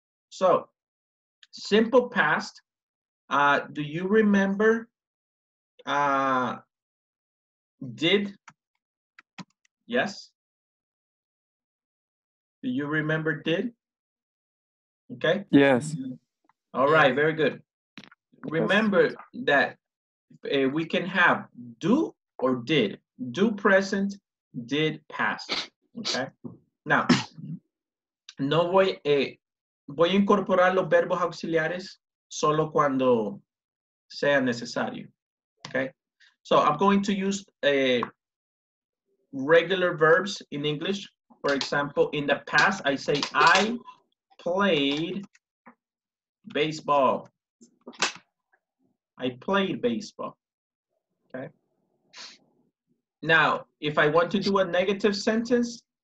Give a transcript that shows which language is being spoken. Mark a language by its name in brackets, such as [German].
[English] So, simple past, do you remember, did, yes? Do you remember did? Okay? Yes. All right, very good. Remember that we can have do or did. Do present, did past, okay? [Spanish] Now, no voy, voy a incorporar los verbos auxiliares solo cuando sea necesario, okay? [English] So I'm going to use regular verbs in English. For example, in the past, I say, I played baseball. I played baseball, okay? Now, if I want to do a negative sentence.